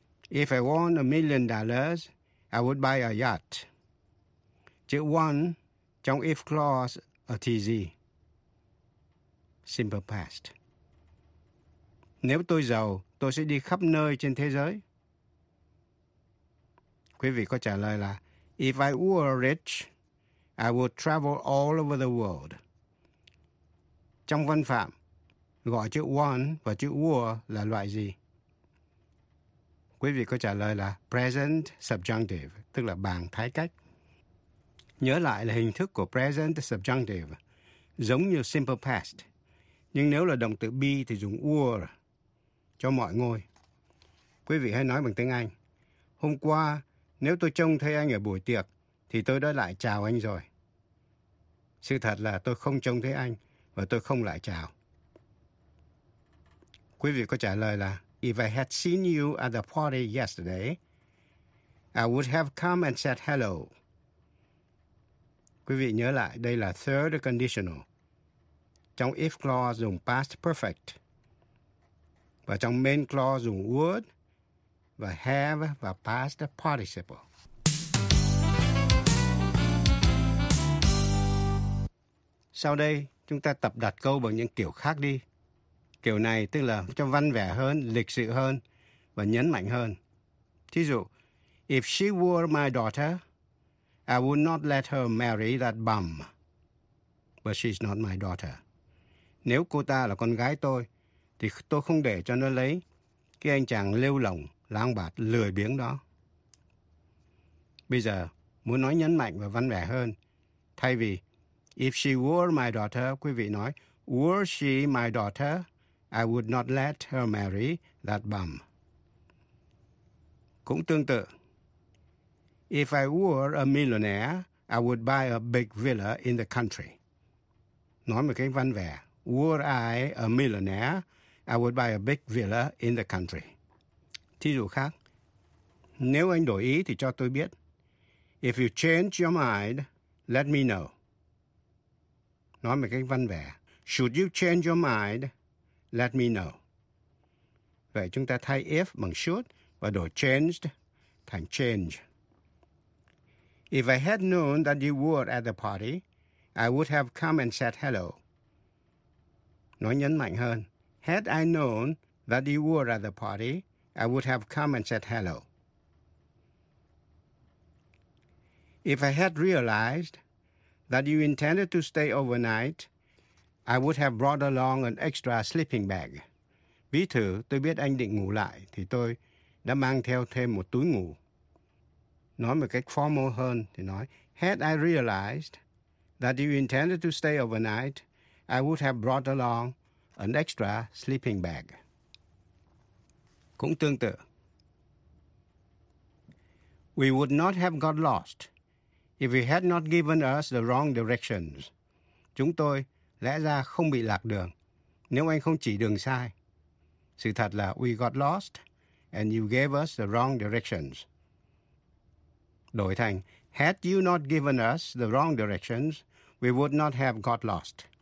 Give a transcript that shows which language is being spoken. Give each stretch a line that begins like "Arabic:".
English: If I won $1,000,000, I would buy a yacht.
Vietnamese: Chữ one trong if clause ở thì gì?
English: Simple past.
Vietnamese: Nếu tôi giàu, tôi sẽ đi khắp nơi trên thế giới. Quý vị có trả lời là
English: if I were rich, I would travel all over the world.
Vietnamese: Trong Văn Phạm, gọi chữ one và chữ were là loại gì? Quý vị có trả lời là present subjunctive, tức là bằng thái cách. Nhớ lại là hình thức của present subjunctive, giống như simple past. Nhưng nếu là động từ be thì dùng were cho mọi ngôi. Quý vị hãy nói bằng tiếng Anh. Hôm qua, nếu tôi trông thấy anh ở buổi tiệc, thì tôi đã lại chào anh rồi. Sự thật là tôi không trông thấy anh và tôi không lại chào. Quý vị có trả lời là
English: if I had seen you at the party yesterday, I would have come and said hello.
Vietnamese: Quý vị nhớ lại, đây là third conditional. Trong if clause dùng past perfect. Và trong main clause dùng would và have và past participle. Sau đây, chúng ta tập đặt câu bằng những kiểu khác đi. Kiểu này tức là cho văn vẻ hơn, lịch sự hơn và nhấn mạnh hơn. Thí dụ,
English: if she were my daughter, I would not let her marry that bum. But she's not my daughter.
Vietnamese: Nếu cô ta là con gái tôi, thì tôi không để cho nó lấy cái anh chàng lêu lổng, lang bạt, lười biếng đó. Bây giờ, muốn nói nhấn mạnh và văn vẻ hơn, thay vì
English: if she were my daughter,
Vietnamese: quý vị nói
English: were she my daughter, I would not let her marry that bum.
Vietnamese: Cũng tương tự.
English: If I were a millionaire, I would buy a big villa in the country.
Vietnamese: Nói một cái văn vẻ
English: were I a millionaire, I would buy a big villa in the country.
Vietnamese: Thí dụ khác, nếu anh đổi ý thì cho tôi biết.
English: If you change your mind, let me know.
Vietnamese: Nói một cách văn vẻ.
English: Should you change your mind, let me know.
Vietnamese: Vậy chúng ta thay if bằng should và đổi changed thành change.
English: If I had known that you were at the party, I would have come and said hello.
Vietnamese: Nói nhấn mạnh hơn.
English: Had I known that you were at the party, I would have come and said hello. If I had realized that you intended to stay overnight, I would have brought along an extra sleeping bag.
Vietnamese: Ví thử, tôi biết anh định ngủ lại, thì tôi đã mang theo thêm một túi ngủ. Nói một cách formal hơn, thì nói,
English: had I realized that you intended to stay overnight, I would have brought along an extra sleeping bag.
Vietnamese: Cũng tương tự.
English: We would not have got lost if you had not given us the wrong directions.
Vietnamese: Chúng tôi lẽ ra không bị lạc đường nếu anh không chỉ đường sai. Sự thật là
English: we got lost and you gave us the wrong directions.
Vietnamese: Đổi thành,
English: had you not given us the wrong directions, we would not have got lost.